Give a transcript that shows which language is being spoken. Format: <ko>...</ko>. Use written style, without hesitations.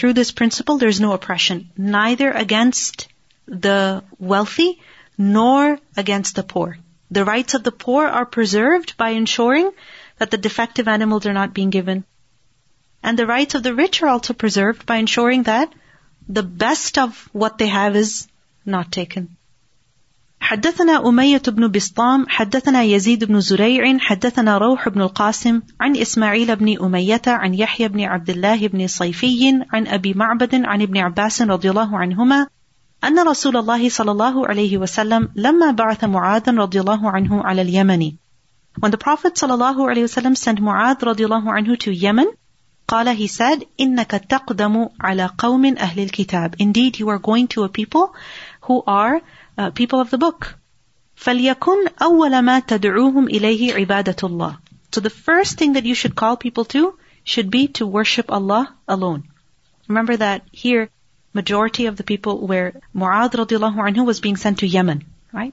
<en>Through this principle, there is no oppression, neither against the wealthy nor against the poor. The rights of the poor are preserved by ensuring that the defective animals are not being given. And the rights of the rich are also preserved by ensuring that the best of what they have is not taken.</en> <ar>حدثنا أمية بن بسطام حدثنا يزيد بن زريع حدثنا روح بن القاسم عن إسماعيل بن أمية عن يحيى بن عبد الله بن صيفي عن أبي معبد عن ابن عباس رضي الله عنهما أن رسول الله صلى الله عليه وسلم لما بعث معاذ رضي الله عنه على اليمن.</ar> <en>When the Prophet</en> <ar>صلى الله عليه وسلم</ar> <en>sent</en> <ar>معاذ رضي الله عنه</ar> <en>to Yemen,</en> <ar>قال,</ar> <en>he said,</en> <ar>إنك تقدم على قوم أهل الكتاب.</ar> <en>Indeed, you are going to a people who are people of the book.</en> <ar>فَلْيَكُنْ أَوَّلَ مَا تَدْعُوهُمْ إِلَيْهِ عِبَادَةُ اللَّهِ.</ar> <en>So the first thing that you should call people to should be to worship Allah alone. Remember that here, majority of the people were Mu'adh radiallahu anhu was being sent to Yemen, right?</en>